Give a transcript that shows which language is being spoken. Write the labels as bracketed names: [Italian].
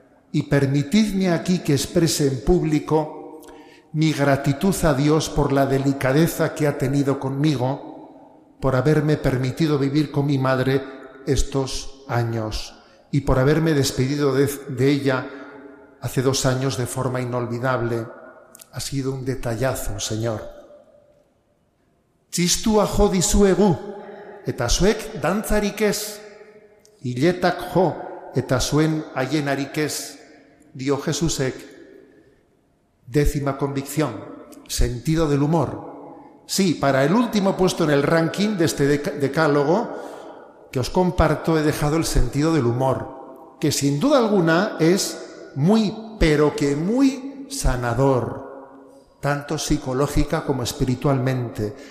[Spanish] Y permitidme aquí que exprese en público mi gratitud a Dios por la delicadeza que ha tenido conmigo, por haberme permitido vivir con mi madre estos años y por haberme despedido de ella hace 2 años de forma inolvidable. Ha sido un detallazo, Señor. [Basque] Txistua jo dizuegu, eta zuek dantzarik ez. Hiletak jo, eta zuen haienarik ez, dio Jesusek. [Spanish] Décima convicción: sentido del humor. Sí, para el último puesto en el ranking de este decálogo que os comparto, he dejado el sentido del humor, que sin duda alguna es muy, pero que muy sanador, tanto psicológica como espiritualmente.